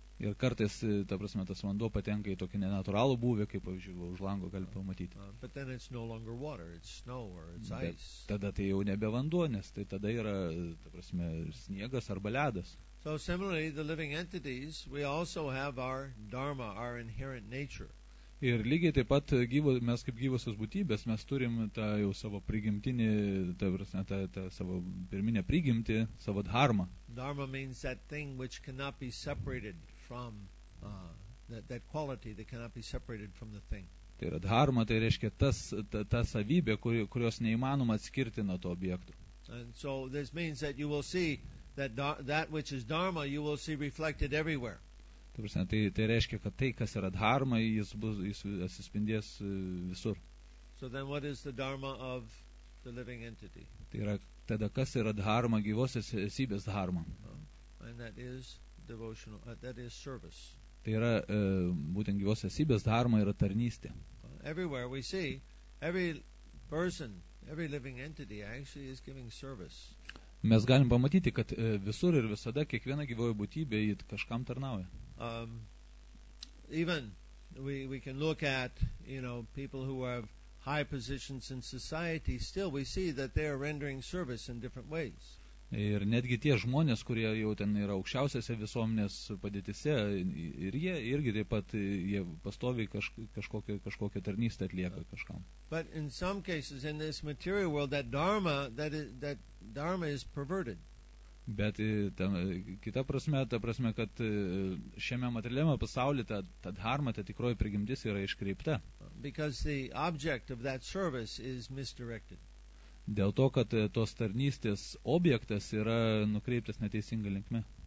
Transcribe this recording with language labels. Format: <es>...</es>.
<lt>Ir kartais, ta prasme, tas vanduo patenka į tokį nenatūralų būvį, kaip, pavyzdžiui, už lango gali pamatyti.</lt> <en>But then it's no longer water, it's snow or it's ice.</en> <lt>Bet tada tai jau nebe vanduo, nes tai tada yra, ta prasme, sniegas arba ledas.</lt> <en>So similarly, the living entities, we also have our dharma, our inherent nature.</en> <lt>Ir lygiai taip pat mes kaip gyvosios būtybės, mes turim tą jau savo prigimtinį, ta prasme, tą savo pirminę prigimtį, savo dharma.</lt> <en>Dharma means that thing which cannot be separated from that quality that cannot be separated from the thing.</en> <lt>Tai yra dharma, tai reiškia tas, ta savybė, kurios neįmanoma atskirti nuo to objektų.</lt> <en>And so this means that you will see that that which is dharma, you will see reflected everywhere.</en> <lt>Tai reiškia, kad tai, kas yra dharma, jis atsispindės visur.</lt> <en>So then what is the dharma of the living entity?</en> <lt>Tai yra, tada kas yra dharma, gyvosios esybės dharma?</lt> <en>And that is devotional, that is service.</en> <lt>Tai yra būtent gyvos esybės dharma yra tarnystė.</lt> <en>Everywhere we see every person, every living entity actually is giving service.</en> <lt>Mes galim pamatyti, kad visur ir visada kiekviena gyvoji būtybė jį kažkam tarnauja.</lt> <en>Even we can look at, you know, people who have high positions in society, still we see that they are rendering service in different ways.</en> <lt>Ir netgi tie žmonės, kurie jau ten yra aukščiausiose visuomenės padėtise, ir jie irgi taip pat jie pastoviai kažkokią tarnystę atlieka kažkam.</lt> <en>But in some cases in this material world that dharma that dharma is perverted.</en> <lt>Bet ten, kita prasme, ta prasme, kad šiame materialiame pasaulyje ta dharma, ta tikroji prigimtis yra iškreipta.</lt> <en>Because the object of that service is misdirected.</en> <lt>Dėl to, kad tos tarnystės objektas yra nukreiptas neteisinga linkme.</lt>